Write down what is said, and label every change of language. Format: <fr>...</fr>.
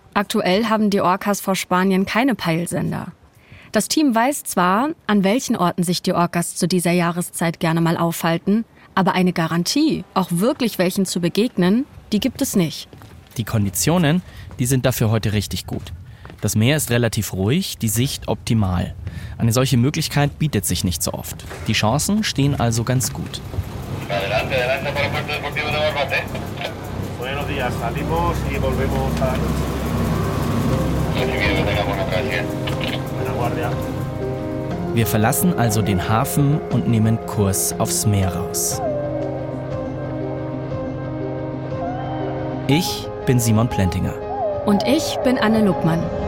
<de>Aktuell haben die Orcas vor Spanien keine Peilsender. Das Team weiß zwar, an welchen Orten sich die Orcas zu dieser Jahreszeit gerne mal aufhalten, aber eine Garantie, auch wirklich welchen zu begegnen, die gibt es nicht. Die Konditionen, die sind dafür heute richtig gut. Das Meer ist relativ ruhig, die Sicht optimal. Eine solche Möglichkeit bietet sich nicht so oft. Die Chancen stehen also ganz gut.</de> <es>Adelante, adelante para el puerto deportivo de Barbate. Buenos días, salimos y volvemos a... Recibido, tengamos otra vez. Buena guardia.</es> <de>Wir verlassen also den Hafen und nehmen Kurs aufs Meer raus. Ich bin Simon Plentinger. Und ich bin Anne Luckmann.</de>